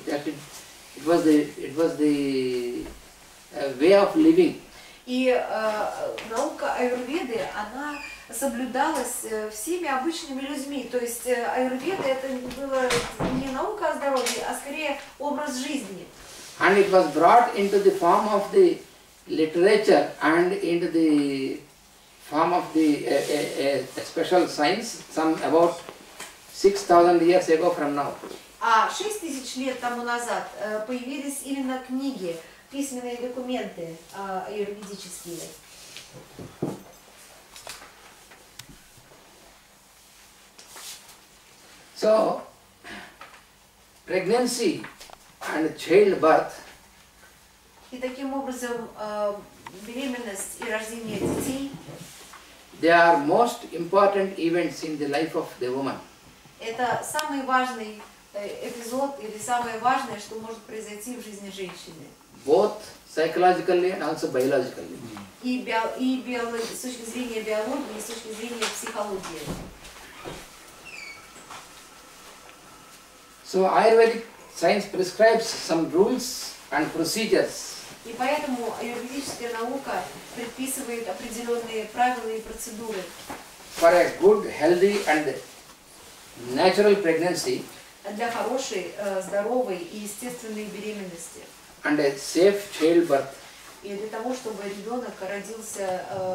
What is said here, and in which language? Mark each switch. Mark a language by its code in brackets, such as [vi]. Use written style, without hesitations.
[en] That it was the way of living. [ru] И наука Аюрведы, она соблюдалась всеми обычными людьми. То есть Аюрведа это была не наука о здоровье, а скорее образ жизни. [en] And it was brought into the form of the literature and into the form of the special science some about 6,000 years ago from now. [ru] А 6,000 лет тому назад появились именно книги. Письменные документы юридические. [en] So, pregnancy and childbirth. [ru] И таким образом беременность и рождение детей. [en] They are most important events in the life of the woman. [ru] Это самый важный эпизод или самое важное, что может произойти в жизни женщины. [en] Both psychologically and also biologically. [ru] С точки зрения биологии и с точки зрения психологии. [en] So Ayurvedic science prescribes some rules and procedures. [ru] И поэтому аюрведическая наука предписывает определенные правила и процедуры. [en] For a good, healthy and natural pregnancy. [ru] Для хорошей, здоровой и естественной беременности. [en] And a safe childbirth. [ru] И для того, чтобы ребенок родился